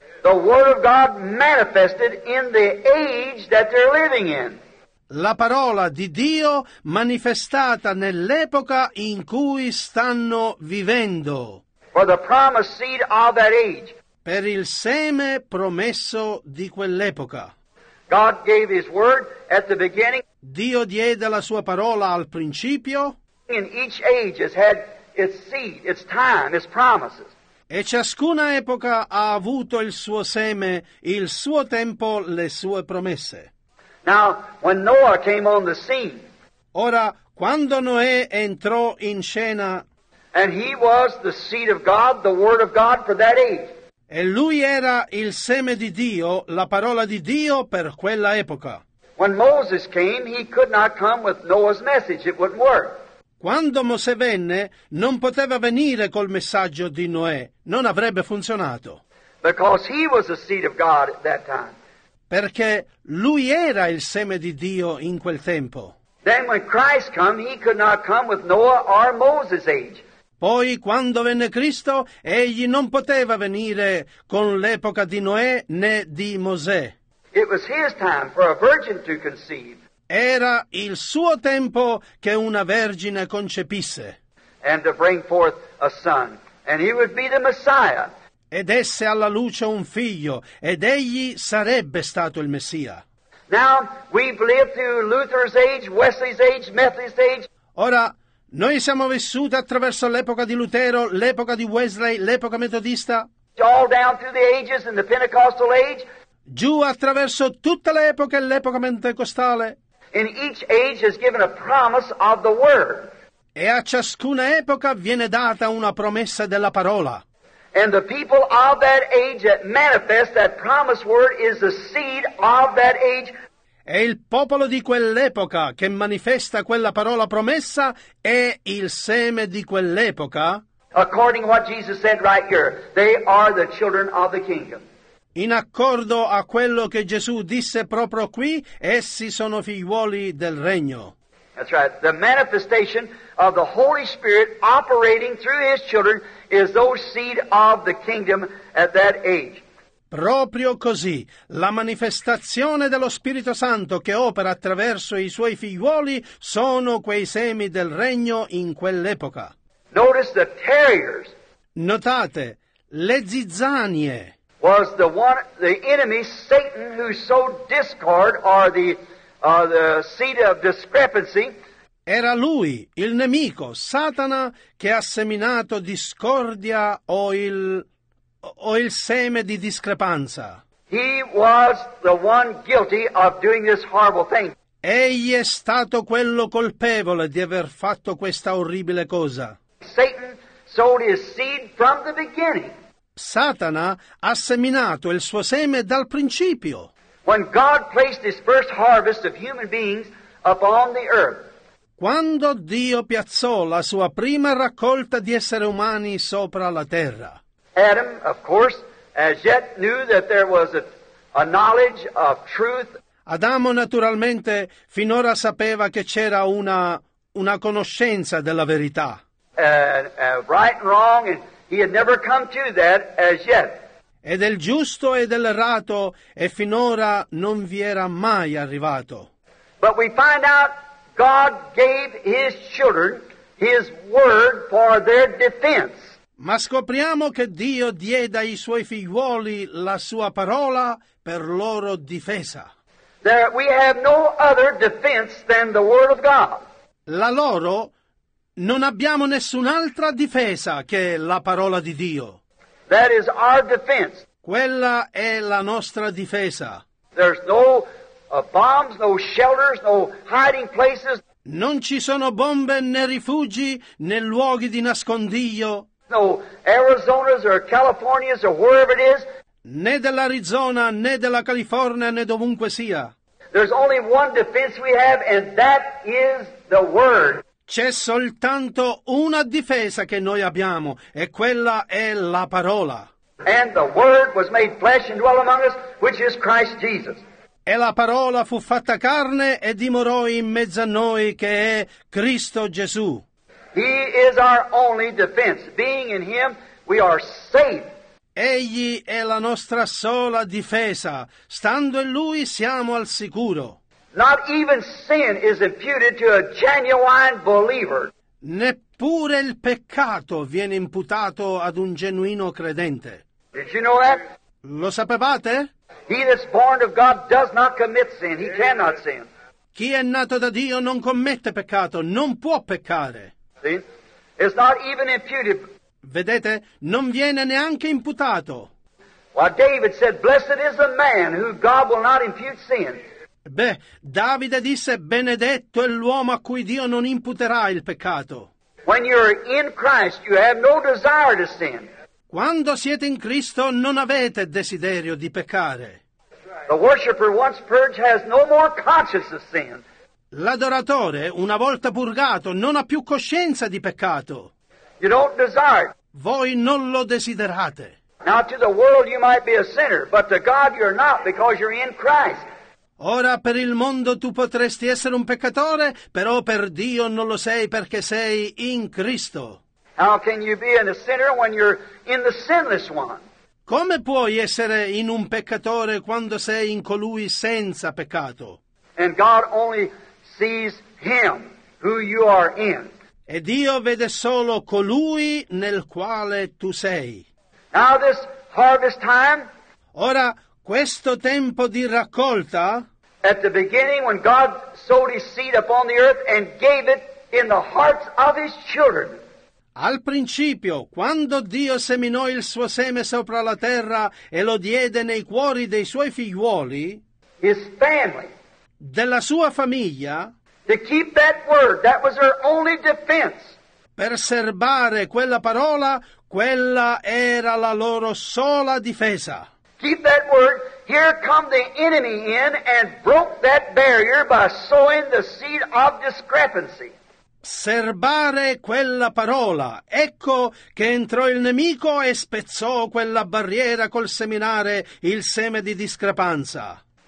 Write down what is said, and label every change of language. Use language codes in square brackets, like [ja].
[en] The word of God manifested in the age that they're living in. [it] La parola di Dio manifestata nell'epoca in cui stanno vivendo. [en] For the promised seed of that age. [it] Per il seme promesso di quell'epoca. [en] God gave his word at the beginning. [it] Dio diede la sua parola al principio. [en] In each age has had its seed, its time, its promises. [it] E ciascuna epoca ha avuto il suo seme, il suo tempo, le sue promesse. [en] Now, when Noah came on the scene. [it] Ora, quando Noè entrò in scena. [en] And he was the seed of God, the word of God for that age. [it] E lui era il seme di Dio, la parola di Dio per quella epoca. [en] When Moses came, he could not come with Noah's message. It wouldn't work. [it] Quando Mosè venne, non poteva venire col messaggio di Noè. Non avrebbe funzionato. [en] Because he was the seed of God at that time. [it] Perché lui era il seme di Dio in quel tempo. [en] Then when Christ came, he could not come with Noah or Moses' age. [it] Poi, quando venne Cristo, egli non poteva venire con l'epoca di Noè né di Mosè. [en] It was his time for a virgin to conceive. [it] Era il suo tempo che una vergine concepisse. [en] And to bring forth a son. And he would be the Messiah. [it] Ed esse alla luce un figlio, ed egli sarebbe stato il Messia. [en] Now, we've lived through Luther's age, Wesley's age, Methodist age. [it] Ora, noi siamo vissuti attraverso l'epoca di Lutero, l'epoca di Wesley, l'epoca metodista. [en] All down through the ages in the Pentecostal age. [it] Giù attraverso tutte le epoche e l'epoca pentecostale. [en] In each age is given a promise of the word. [it] E a ciascuna epoca viene data una promessa della parola. [en] And the people of that age that manifest that promised word is the seed of that age. [it] E il popolo di quell'epoca che manifesta quella parola promessa è il seme di quell'epoca. [en] According to what Jesus said right here, they are the children of the kingdom. [it] In accordo a quello che Gesù disse proprio qui, essi sono figliuoli del regno. [en] That's right. The manifestation of the Holy Spirit operating through his children is those seed of the kingdom at that age. [it] Proprio così, la manifestazione dello Spirito Santo che opera attraverso i suoi figlioli sono quei semi del regno in quell'epoca. [en] Notice the tares. [it] Notate, le zizzanie. [en] Was the one, the enemy, Satan, who sowed discord, or the seed of discrepancy. [it] Era lui, il nemico, Satana, che ha seminato discordia o il seme di discrepanza. [en] He was the one guilty of doing this horrible thing. [it] Egli è stato quello colpevole di aver fatto questa orribile cosa. [en] Satan sowed his seed from the beginning. [it] Satana ha seminato il suo seme dal principio. [en] When God placed his first harvest of human beings upon the earth. [it] Quando Dio piazzò la sua prima raccolta di esseri umani sopra la terra. [en] Adam, of course, as yet knew that there was a knowledge of truth. [it] Adamo naturalmente finora sapeva che c'era una conoscenza della verità. [en] Right and wrong, and he had never come to that as yet. [it] E del giusto e dell'errato, e finora non vi era mai arrivato. [en] But we find out God gave his children his word for their defense. [it] Ma scopriamo che Dio diede ai suoi figlioli la sua parola per loro difesa. [en] There we have no other defense than the word of God. [it] La loro, non abbiamo nessun'altra difesa che la parola di Dio. [en] That is our defense. [it] Quella è la nostra difesa. [en] There's no bombs, no shelters, no hiding places. [it] Non ci sono bombe né rifugi né luoghi di nascondiglio. [en] No Arizonas or Californias or wherever it is. [it] Né dell'Arizona né della California né dovunque sia. [en] There's only one defense we have, and that is the word. [it] C'è soltanto una difesa che noi abbiamo, e quella è la parola. [en] And the word was made flesh and dwelt among us, which is Christ Jesus. [it] E la parola fu fatta carne e dimorò in mezzo a noi, che è Cristo Gesù. [en] He is our only defense. Being in him, we are safe. [it] Egli è la nostra sola difesa. Stando in lui, siamo al sicuro. [en] Not even sin is imputed to a genuine believer. [it] Neppure il peccato viene imputato ad un genuino credente. [en] Did you know that? [it] Lo sapevate? [en] He that's born of God does not commit sin. He cannot sin. [it] Chi è nato da Dio non commette peccato, non può peccare. [en] See? It's not even imputed. [it] Vedete? Non viene neanche imputato. [en] Well, David said, blessed is the man who God will not impute sin. [it] Beh, Davide disse, benedetto è l'uomo a cui Dio non imputerà il peccato. [en] When you're in Christ, you have no desire to sin. [it] Quando siete in Cristo non avete desiderio di peccare. [en] The worshipper once purged has no more conscience of sin. [it] L'adoratore, una volta purgato, non ha più coscienza di peccato. [en] You don't desire. [it] Voi non lo desiderate. [en] Now to the world you might be a sinner, but to God you're not, because you're in Christ. [it] Ora per il mondo tu potresti essere un peccatore, però per Dio non lo sei perché sei in Cristo. [en] How can you be in a sinner when you're in the sinless one? [it] Come puoi essere in un peccatore quando sei in colui senza peccato? [en] And God only sees him who you are in. [it] E Dio vede solo colui nel quale tu sei. [en] Now this harvest time. [it] Ora questo tempo di raccolta. [en] At the beginning when God sowed his seed upon the earth and gave it in the hearts of his children. [it] Al principio, quando Dio seminò il suo seme sopra la terra e lo diede nei cuori dei suoi figliuoli, [en] his family, [it] della sua famiglia, [en] to keep that word, that was their only defense. [it] Per serbare quella parola, quella era la loro sola difesa. [en] Keep that word, here come the enemy in and broke that barrier by sowing the seed of discrepancy. [it] Serbare quella parola. Ecco che entrò il nemico e spezzò quella barriera col seminare il seme di discrepanza.